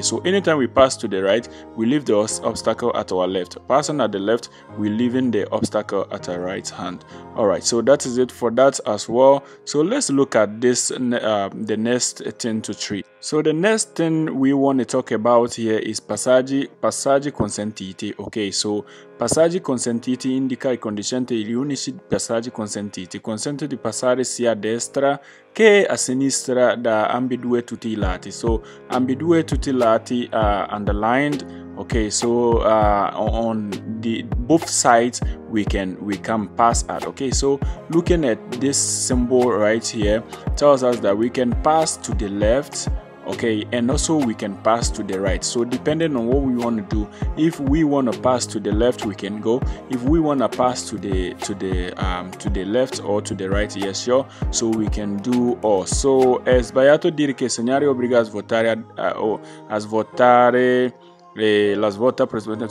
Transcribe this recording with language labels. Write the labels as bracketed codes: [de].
[en] So anytime we pass to the right, we leave the obstacle at our left. Passing at the left, we leave in the obstacle at our right hand. All right, so that is it for that as well. So let's look at this the next thing to treat. So the next thing we want to talk about here is [it] passaggi consentiti, [en] okay. [it] So passaggi consentiti indica i condizionanti e gli unici passaggi consentiti. Consente di passare sia a destra che a sinistra da ambedue tutti i lati. [en] So [it] ambedue tutti i lati [en] are underlined. Okay, so on the both sides we can pass at. Okay, so looking at this symbol right here tells us that we can pass to the left. Okay, and also we can pass to the right. So depending on what we want to do, if we want to pass to the left, we can go. If we want to pass to the left or to the right, yes, sure. So we can do all. So [it] è sbagliato dire che segnare obbliga a svoltare la svolta precedente.